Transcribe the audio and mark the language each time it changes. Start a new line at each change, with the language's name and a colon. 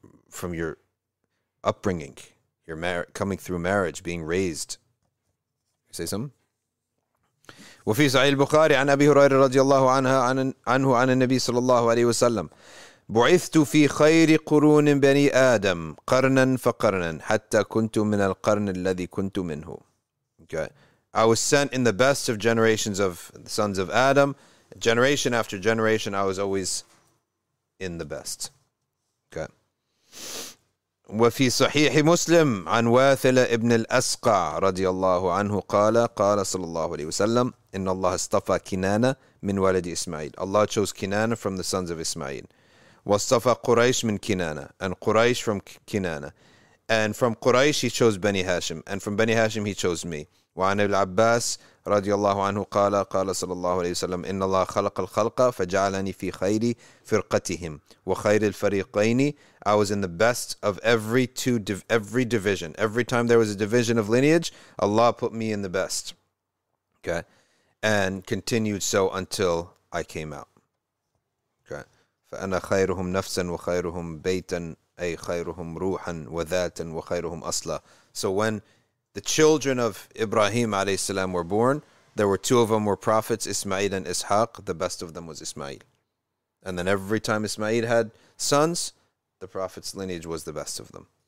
English: from your upbringing, your coming through marriage, being raised. Say something.
Arabic: وفي صحيح البخاري عن أبي هريرة رضي الله عنه عن النبي صلى الله عليه وسلم بعثت في خير قرون بني آدم قرنا فقرنا حتى كنت من القرن الذي كنت منه.
English: Okay. I was sent in the best of generations of the sons of Adam. Generation after generation, I was always in the best.
Arabic: وفي صحيح مسلم عن واثل ابن الأسقع رضي الله عنه قال قال صلى الله عليه وسلم إن الله اصطفى كنانة من ولد إسماعيل.
English: Allah chose Kinana from the sons of Ismail.
Arabic: واصطفى قريش من كنانة
English: and قريش from كنانة and from قريش he chose بني هاشم and from بني هاشم he chose me.
Arabic: وعن العباس رضي الله عنه قال قال صلى الله عليه وسلم إن الله خلق الخلق فجعلني في خير فرقتهم وخير الفريقين.
English: I was in the best of every division. Every time there was a division of lineage, Allah put me in the best. Okay. And continued so until I came out. Okay.
Arabic: فأنا خيرهم نفسا وخيرهم بيتا أي خيرهم روحا وذاتا وخيرهم أصلا.
English: So when the children of Ibrahim alayhi salam were born, there were two of them were prophets, Ismail and Ishaq. The best of them was Ismail. And then every time Ismail had sons, the prophet's lineage was the best of them.